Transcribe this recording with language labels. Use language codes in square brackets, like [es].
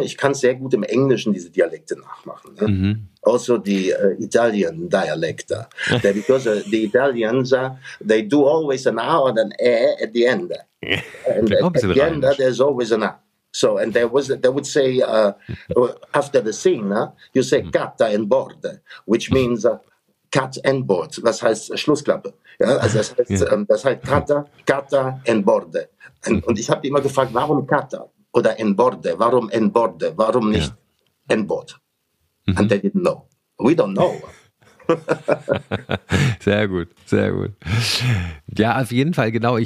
[de] Ich kann sehr gut im Englischen diese Dialekte nachmachen. Ne? Mm-hmm. Also die Italien-Dialekte. [en] Because the Italians, they do always an A or an E at the end. And at the end, there's always an A. So, and they would say, after the scene, you say Kata en Borde, which means cut and board. [de] Das heißt Schlussklappe. Ja, also das heißt, ja. Das heißt Kata, Kata en Borde. Und ich habe immer gefragt, warum Kata oder en Borde? Warum en Borde? Warum nicht ja. en Borde? Mhm. [en] And they didn't know. We don't know. [de] Sehr gut, sehr gut. Ja, auf jeden Fall, genau.